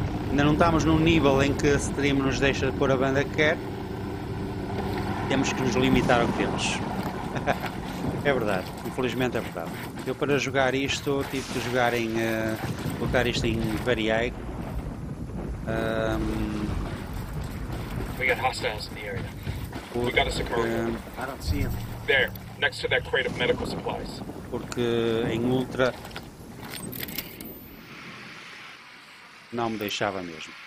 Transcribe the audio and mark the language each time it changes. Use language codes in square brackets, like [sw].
[pt] Ainda não estamos num nível em que a stream nos deixa de pôr a banda que quer. Temos que nos limitar ao que temos. É verdade, infelizmente é verdade. Eu para jogar isto tive que jogar em colocar isto em Variei. [en] We got hostiles in the area. We got a secure. I don't see him. There. Next to that crate of medical supplies. [pt] Porque em ultra não me deixava mesmo.